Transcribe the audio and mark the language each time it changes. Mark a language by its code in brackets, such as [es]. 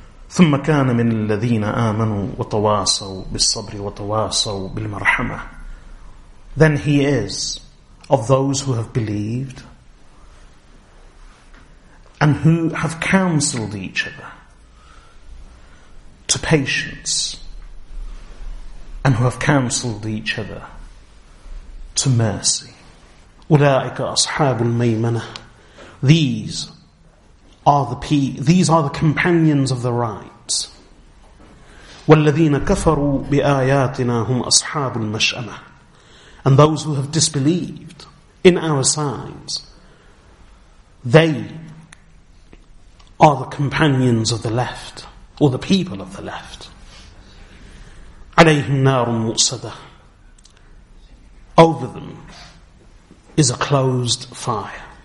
[ar] ثم كان من الذين آمنوا وتواصوا بالصبر وتواصوا بالمرحمة. [en] Then he is of those who have believed and who have counseled each other to patience and who have counseled each other to mercy. [ar] أولئك أصحاب الميمنة. [en] These are the companions of the right. [ar] والذين كفروا بآياتنا هم أصحاب المشأمة. [en] And those who have disbelieved in our signs, they are the companions of the left, or the people of the left. [ar] عليهم نار مؤصدة. [en] Over them is a closed fire.